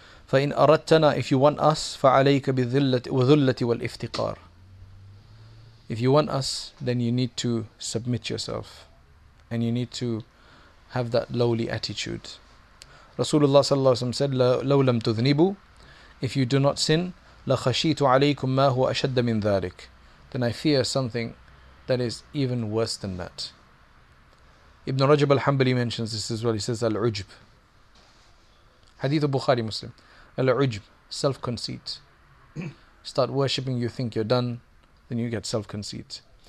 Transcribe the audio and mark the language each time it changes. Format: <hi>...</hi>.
<ar>فإن أردتنا,</ar> <en>if you want us,</en> <ar>فعليك بذلة وذلة والافتقار.</ar> <en>If you want us, then you need to submit yourself, and you need to have that lowly attitude.</en> <ar>رسول الله صلى الله عليه وسلم said, لو لم تذنبوا,</ar> <en>if you do not sin,</en> <ar>لخشيت عليكم ما هو أشد من ذلك.</ar> <en>Then I fear something that is even worse than that. Ibn Rajab al-Hanbali mentions this as well. He says, Al-Ujb. Hadith of Bukhari Muslim. Al-Ujb, self-conceit. Start worshipping, you think you're done, then you get self-conceit.</en>